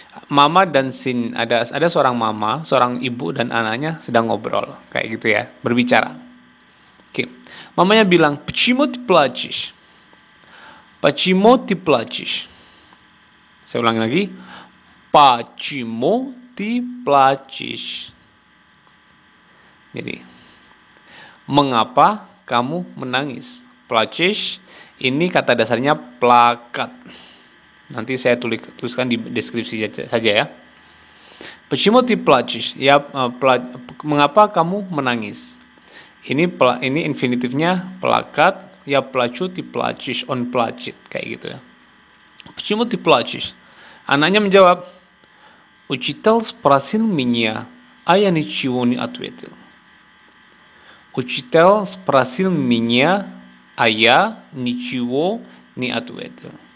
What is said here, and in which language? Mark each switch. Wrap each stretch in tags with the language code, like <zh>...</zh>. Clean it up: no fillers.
<id>Mama dan sin, ada seorang mama, seorang ibu dan anaknya sedang ngobrol kayak gitu ya, berbicara. Oke. Okay. Mamanya bilang,</id> <ru>"Почему ты плачешь?" "Почему ты плачешь?"</ru> <id>Saya ulangi lagi.</id> <ru>"Почему ты плачешь?"</ru> <id>Jadi, mengapa kamu menangis?</id> <ru>Плачешь.</ru> <id>Ini kata dasarnya plakat. Nanti saya tuliskan di deskripsi saja ya.</id> <ru>Почему ты плачешь?</ru> <id>Ya, mengapa kamu menangis? Ini infinitifnya plakat.</id> <ru>Ya, плачу ты плачешь, он плачет.</ru> <id>Kayak gitu ya.</id> <ru>Почему ты плачешь?</ru> <id>Anaknya menjawab,</id> <ru>учитель спросил меня, а я ничего не ответил. Учитель спросил меня, aya ничего не ответил.</ru>